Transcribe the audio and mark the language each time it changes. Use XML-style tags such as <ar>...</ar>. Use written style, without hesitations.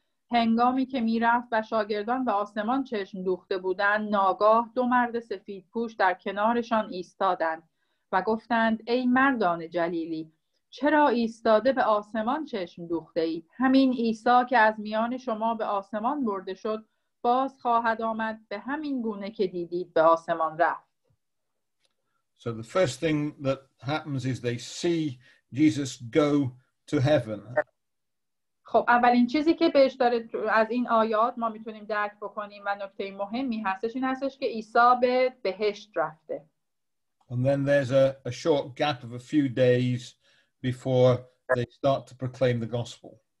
<fa>هنگامی که می رفت و شاگردان به آسمان چشم دوخته بودند، ناگاه دو مرد سفید پوش در کنارشان ایستادند و گفتند ای مردان جلیلی، چرا ایستاده به آسمان چشم دوخته اید؟ همین عیسی که از میان شما به آسمان برده شد باز خواهد آمد به همین گونه که دیدید به آسمان رفت.</fa> <en>So the first thing that happens is they see Jesus go to heaven.</en> <fa>خب اولین چیزی که بهش داره از این آیات ما میتونیم درک بکنیم و نکته مهمی هستش این هستش که عیسی به بهشت رفته.</fa> <en>And then there's a short gap of a few days before they start to proclaim the gospel.</en>